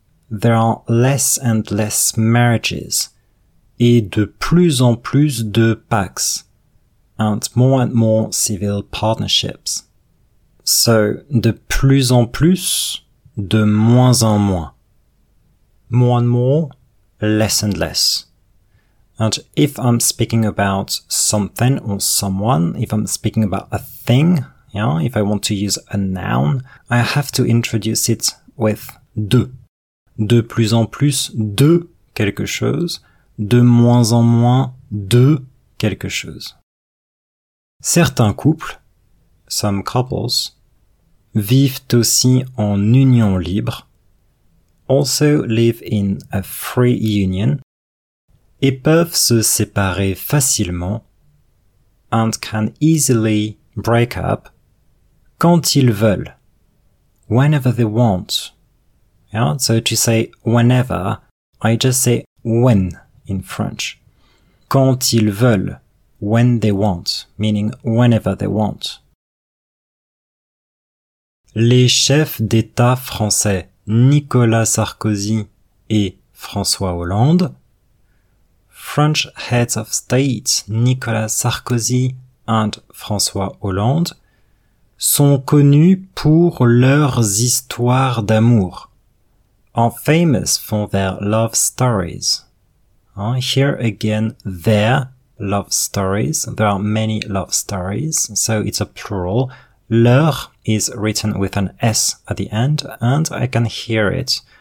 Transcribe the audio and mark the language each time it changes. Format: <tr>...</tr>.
<en>There are less and less marriages,</en> <fr>et de plus en plus de pacs,</fr> <en>and more civil partnerships.</en> <fr>So, de plus en plus, de moins en moins.</fr> <en>More and more, less and less. And if I'm speaking about something or someone, if I'm speaking about a thing, yeah, if I want to use a noun, I have to introduce it with de.</en> <fr>De plus en plus de quelque chose, de moins en moins de quelque chose. Certains couples,</fr> <en>some couples,</en> <fr>vivent aussi en union libre,</fr> <en>also live in a free union,</en> <fr>et peuvent se séparer facilement,</fr> <en>and can easily break up,</en> <fr>quand ils veulent,</fr> <en>whenever they want. Yeah, so to say whenever, I just say when in French.</en> <fr>Quand ils veulent,</fr> <en>when they want, meaning whenever they want.</en> <fr>Les chefs d'État français Nicolas Sarkozy et François Hollande,</fr> <en>French heads of state Nicolas Sarkozy and François Hollande,</en> <fr>sont connus pour leurs histoires d'amour.</fr> <en>Are famous for their love stories. Here again, their love stories. There are many love stories, so it's a plural. Leur is written with an S at the end, and I can hear it.</en>